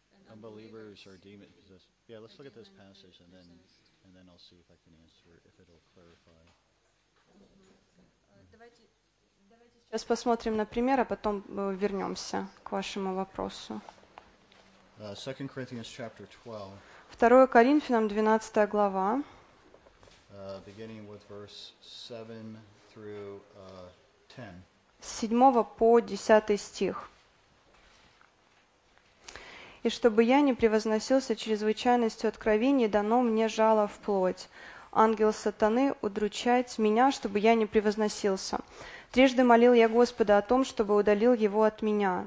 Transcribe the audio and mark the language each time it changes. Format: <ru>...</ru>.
<en>Unbelievers are demon possessed. Yeah, let's look at this passage and then I'll see if I can answer if it'll clarify.</en> <ru>Давайте сейчас посмотрим на пример, а потом вернемся к вашему вопросу.</ru> <en>2 Corinthians chapter 12.</en> <ru>2 Коринфянам 12 глава.</ru> <en>Beginning with verse 7 through 10.</en> <ru>С 7 по 10 стих. «И чтобы я не превозносился чрезвычайностью откровений, дано мне жало в плоть. Ангел сатаны удручает меня, чтобы я не превозносился. Трижды молил я Господа о том, чтобы удалил его от меня.</ru>